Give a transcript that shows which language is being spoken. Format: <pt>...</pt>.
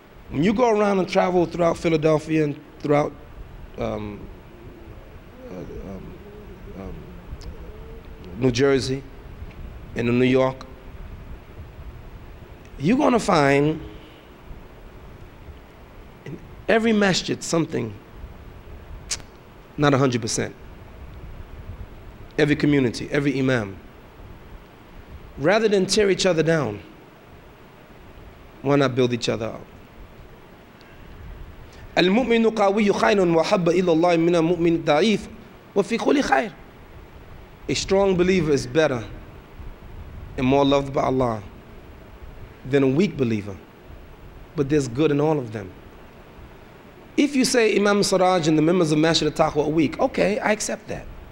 <en>When you go around and travel throughout Philadelphia and throughout New Jersey and in New York, you're gonna find in every masjid something not 100%. Every community, every imam. Rather than tear each other down, why not build each other up?</en> <ar>المؤمن قوي خير وحب إلى الله من المؤمن الضعيف وفي كل خير.</ar> <en>A strong believer is better and more loved by Allah than a weak believer. But there's good in all of them. If you say Imam Siraj and the members of Masjid al-Taqwa are weak, okay, I accept that.</en>